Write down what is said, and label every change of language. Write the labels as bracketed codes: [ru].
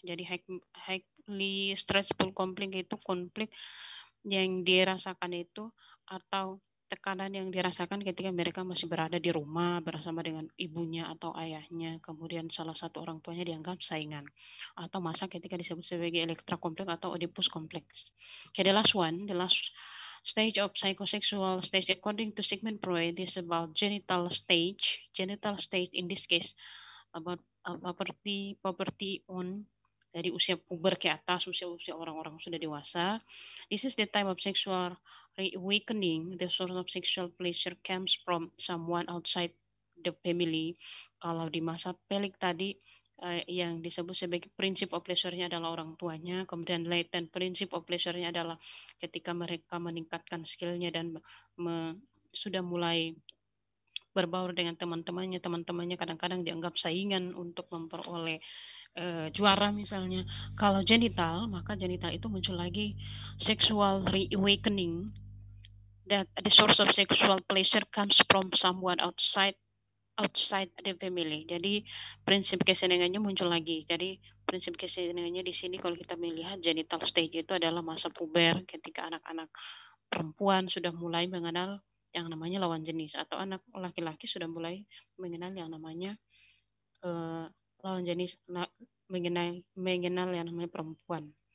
[id] Jadi highly stressful conflict itu konflik yang dirasakan itu atau tekanan yang dirasakan ketika mereka masih berada di rumah bersama dengan ibunya atau ayahnya, kemudian salah satu orang tuanya dianggap saingan, atau masa ketika disebut sebagai Elektra kompleks atau Oedipus kompleks. [en] Okay, the last stage of psychosexual stage according to Sigmund Freud is about genital stage. Genital stage in this case about puberty on [id] dari usia puber ke atas, usia-usia orang-orang sudah dewasa. [en] This is the time of sexual reawakening. The source of sexual pleasure comes from someone outside the family. [id] Kalau di masa pelik tadi, yang disebut sebagai prinsip of pleasure-nya adalah orang tuanya, kemudian latent prinsip of pleasure-nya adalah ketika mereka meningkatkan skill-nya dan sudah mulai berbaur dengan teman-temannya. Teman-temannya kadang-kadang dianggap saingan untuk memperoleh juara misalnya. Kalau genital, maka genital itu muncul lagi [en] sexual reawakening, that the source of sexual pleasure comes from someone outside the family. [id] Jadi prinsip kesenangannya muncul lagi. Jadi prinsip kesenangannya di sini kalau kita melihat genital stage itu adalah masa puber ketika anak-anak perempuan sudah mulai mengenal yang namanya lawan jenis, atau anak laki-laki sudah mulai mengenal yang namanya lawan jenis, mengenal yang namanya perempuan.